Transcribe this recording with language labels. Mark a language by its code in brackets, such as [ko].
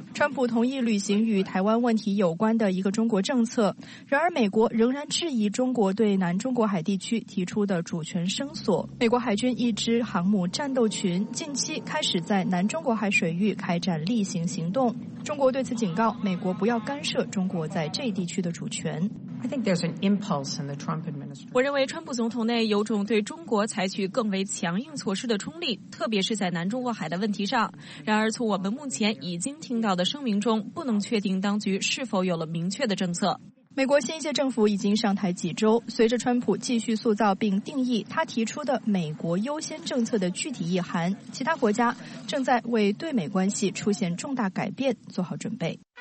[zh] 川普同意履行与台湾问题有关的一个中国政策，然而美国仍然质疑中国对南中国海地区提出的主权声索。美国海军一支航母战斗群近期开始在南中国海水域开展例行行动。中国对此警告，美国不要干涉中国在这地区的主权。 [en] I think there's an impulse in the Trump administration. [zh] 我认为川普总统内有种对中国采取更为强硬措施的冲力，特别是在南中国海的问题上。然而从我们目前已经听到的声明中，不能确定当局是否有了明确的政策。美国新一届政府已经上台几周，随着川普继续塑造并定义他提出的美国优先政策的具体意涵，其他国家正在为对美关系出现重大改变做好准备。